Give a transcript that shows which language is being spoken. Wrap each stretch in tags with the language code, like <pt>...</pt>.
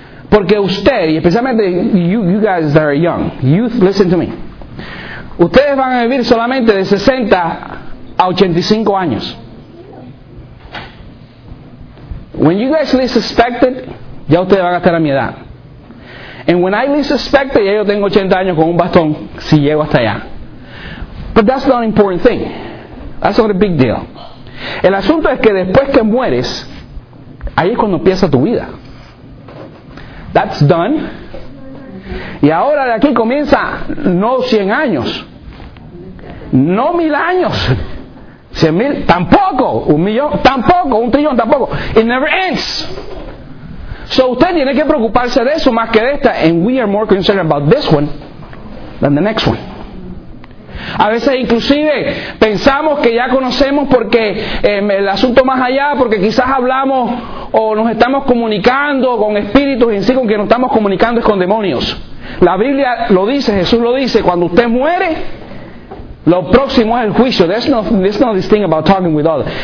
<es>Porque usted, y especialmente</es> <en>you guys that are young, youth, listen to me.</en> <es>Ustedes van a vivir solamente de 60 a 85 años.</es> <en>When you guys least expect it,</en> <es>ya ustedes van a estar a mi edad.</es> <en>And when I least expect it,</en> <es>ya yo tengo 80 años con un bastón, si llego hasta allá.</es> <en>But that's not an important thing. That's not a big deal.</en> <es>El asunto es que después que mueres, ahí es cuando empieza tu vida.</es> <en>That's done.</en> <es>Y ahora de aquí comienza no 100 años, no 1,000 años, 100,000, tampoco, 1,000,000, tampoco, 1,000,000,000, tampoco.</es> <en>It never ends. So</en> <es>usted tiene que preocuparse de eso más que de esta.</es> <en>And we are more concerned about this one than the next one.</en> <es>A veces inclusive pensamos que ya conocemos porque el asunto más allá, porque quizás hablamos o nos estamos comunicando con espíritus, y en sí con quien nos estamos comunicando es con demonios. La Biblia lo dice, Jesús lo dice, cuando usted muere, lo próximo es el juicio.</es> <en>There's no this thing about talking with others.</en>